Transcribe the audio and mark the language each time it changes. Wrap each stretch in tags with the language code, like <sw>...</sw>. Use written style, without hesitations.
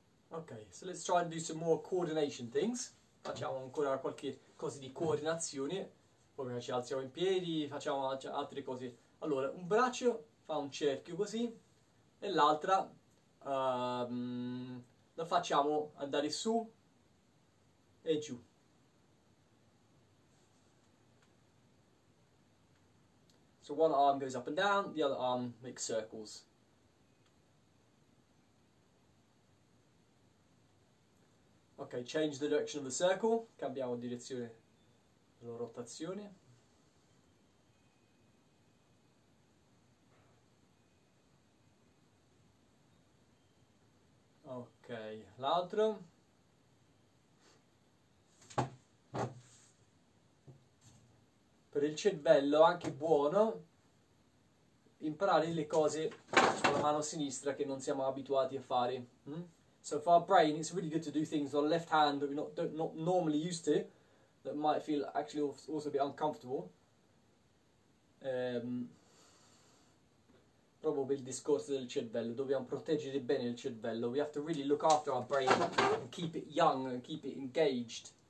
<en>Ok, so let's try and do some more coordination things.</en> <it>Facciamo ancora qualche cosa di coordinazione. Poi ci alziamo in piedi, facciamo altre cose. Allora, un braccio fa un cerchio così. E l'altra lo facciamo andare su e giù.</it> <en>So one arm goes up and down, the other arm makes circles. Ok, change the direction of the circle,</en> <it>cambiamo direzione della rotazione. Ok, l'altro. Il cervello anche buono imparare le cose con la mano sinistra che non siamo abituati a fare.</it> <en>So for our brain it's really good to do things on the left hand that we're not normally used to, that might feel actually also a bit uncomfortable.</en> <it>Proprio il discorso del cervello, dobbiamo proteggere bene il cervello.</it> <en>We have to really look after our brain and keep it young and keep it engaged.</en>